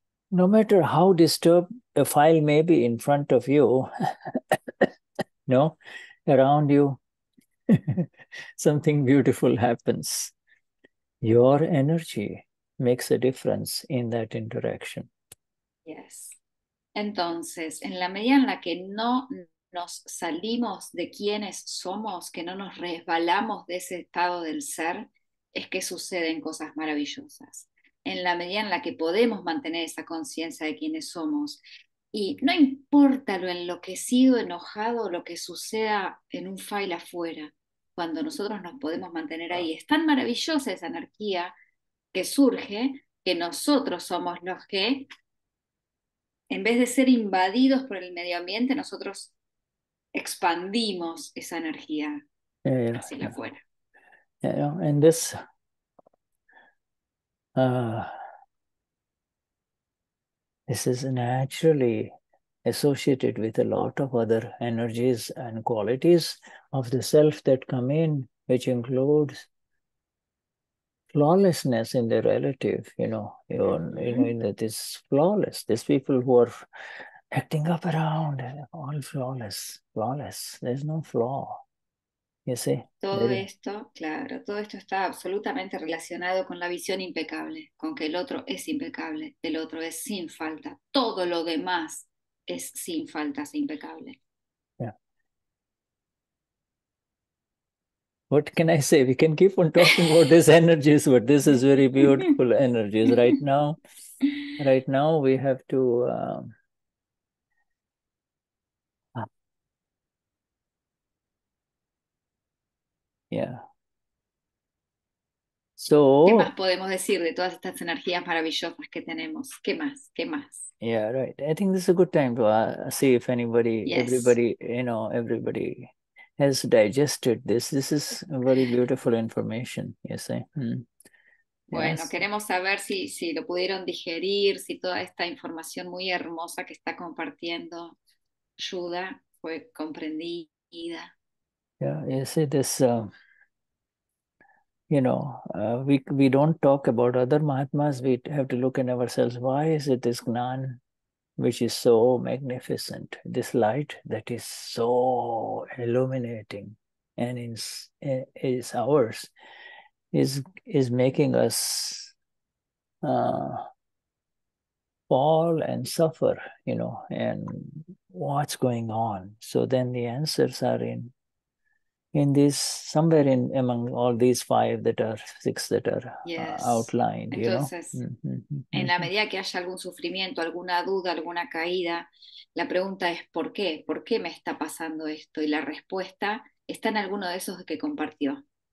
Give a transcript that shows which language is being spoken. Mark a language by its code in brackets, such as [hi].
[en] No matter how disturbed a file may be in front of you, around you, something beautiful happens. Your energy makes a difference in that interaction. Yes. [es] Entonces, en la medida en la que no nos salimos de quienes somos, que no nos resbalamos de ese estado del ser, es que suceden cosas maravillosas. En la medida en la que podemos mantener esa conciencia de quienes somos, y no importa lo enloquecido, enojado, lo que suceda en un file afuera, cuando nosotros nos podemos mantener ahí, es tan maravillosa esa anarquía que surge, que nosotros somos los que, en vez de ser invadidos por el medio ambiente, nosotros expandimos esa energía hacia afuera. [en] Yeah, you know, and this this is naturally associated with a lot of other energies and qualities of the self that come in, which includes flawlessness in the relative, you know, that is flawless. These people who are acting up around, all flawless, flawless. There's no flaw. You see? [es] Todo esto, claro, todo esto está absolutamente relacionado con la visión impecable, con que el otro es impecable, el otro es sin falta, todo lo demás es sin falta, es impecable. [en] Yeah. What can I say? We can keep on talking about these energies, but this is very beautiful energies right now. Right now we have to Yeah. So, [es] ¿qué más podemos decir de todas estas energías maravillosas que tenemos? ¿Qué más? ¿Qué más? [en] Yeah, right. I think this is a good time to see if anybody, yes, everybody, you know, everybody has digested this. This is very beautiful information, you see. Mm. [es] Bueno, [en] yes. [es] Queremos saber si lo pudieron digerir, si toda esta información muy hermosa que está compartiendo Shuddha fue comprendida. [en] Yeah, you see this, we don't talk about other Mahatmas, we have to look in ourselves, why is it this Gnan, which is so magnificent, this light that is so illuminating and is ours, is making us fall and suffer, you know, and what's going on? So then the answers are somewhere among all these five that are, six that are, yes, outlined. [es] Entonces, [en] you know? [es] En la medida que haya algún sufrimiento, alguna duda, alguna caída, la pregunta es ¿por qué? ¿Por qué me está pasando esto? Y la respuesta está en alguno de esos que compartió.